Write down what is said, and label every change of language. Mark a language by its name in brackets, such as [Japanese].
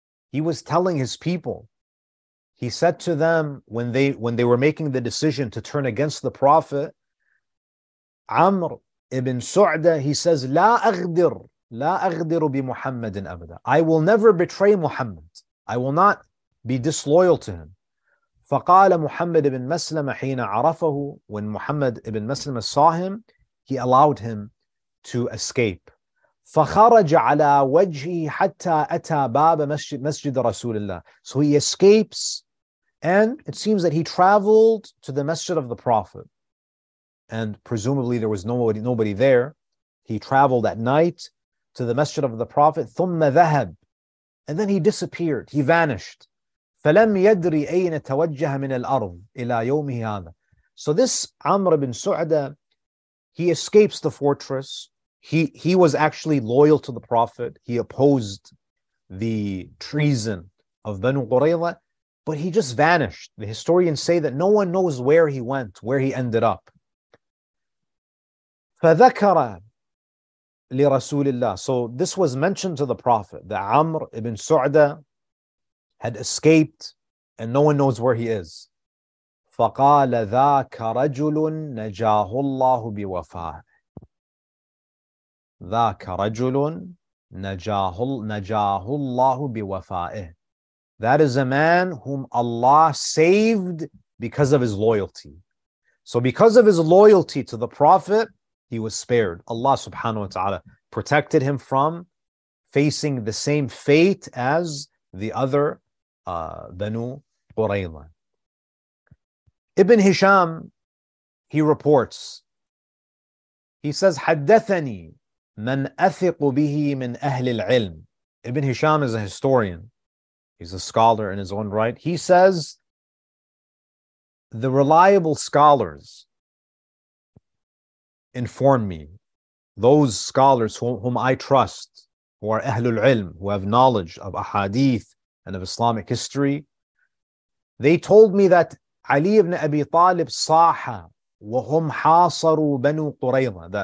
[English] He was telling his people. He said to them when they were making the decision to turn against the Prophet, عمر ibn سعدة, he says, [Arabic] لا أغدر بمحمد أبدا. [English] I will never betray Muhammad. I will not be disloyal to him. [Arabic] فقال محمد ابن مسلمة حين عرفه, [English] when Muhammad ibn مسلمة saw him, he allowed him to escape. [Arabic] فخرج على وجهه حتى أتى باب مسجد رسول الله. [English] So he escapes, and it seems that he traveled to the Masjid of the Prophet. And presumably there was nobody there. He traveled at night to the Masjid of the Prophet. [Arabic] ثم ذهب. [English] And then he disappeared. He vanished. [Arabic] فلم يدري أين توجه من الأرض إلى يومه هذا. [English] So this عمر بن سعدة, he escapes the fortress. He was actually loyal to the Prophet. He opposed the treason of Banu Qurayza, but he just vanished. The historians say that no one knows where he went, where he ended up. [Arabic] فذكر لرسول الله. [English] So this was mentioned to the Prophet, that عمر بن سعدة had escaped and no one knows where he is. [Arabic] فقال ذاك رجل نجاه الله بوفاه. ذاك رجل نجاه الله بوفائه. [English] That is a man whom Allah saved because of his loyalty. So because of his loyalty to the Prophet, he was spared. Allah subhanahu wa ta'ala protected him from facing the same fate as the other Banu Qurayza. Ibn Hisham, he reports, he says, [Arabic] حدثني من أثق به من أهل العلم. [English] Ibn Hisham is a historian. He's a scholar in his own right. He says, the reliable scholars inform me, those scholars whom I trust, who are Ahlul Ilm, who have knowledge of Ahadith and of Islamic history, they told me that Ali ibn Abi Talib [Arabic] saha wa hum hasaru [English] Banu Qurayza.